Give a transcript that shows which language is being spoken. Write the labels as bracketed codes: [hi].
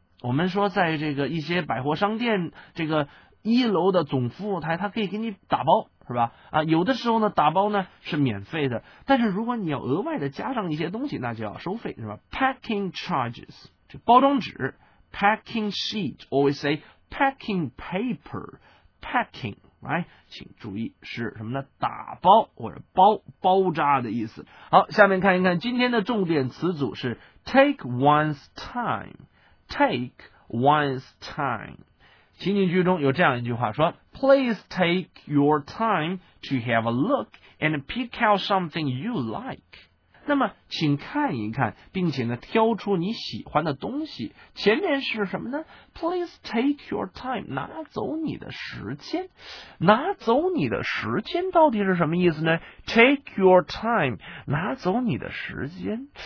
[zh] 我们说在这个一些百货商店这个一楼的总服务台，它可以给你打包是吧啊，有的时候呢打包呢是免费的，但是如果你要额外的加上一些东西，那就要收费是吧。 [en] packing charges [zh] 这包装纸 [en] packing sheet， always say packing paper packing right， [zh] 请注意是什么呢？打包或者包，包扎的意思。好，下面看一看今天的重点词组是 [en] take one's time。 take one's time， [zh] 情景剧中有这样一句话说， [en] please take your time to have a look and pick out something you like， [zh] 那么请看一看，并且呢挑出你喜欢的东西。前面是什么呢？ [en] Please take your time， [zh] 拿走你的时间。拿走你的时间到底是什么意思呢？ [en] Take your time， [zh] 拿走你的时间。